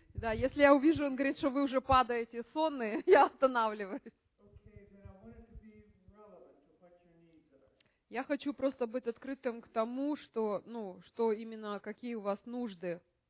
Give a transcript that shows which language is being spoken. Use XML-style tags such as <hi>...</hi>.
<ru>Да, если я увижу, он говорит, что вы уже падаете сонные, я останавливаюсь.</ru> <en>Okay, then I want it to be relevant to what your needs are.</en> <ru>Я хочу просто быть открытым к тому, что, ну, что именно, какие у вас нужды.</ru>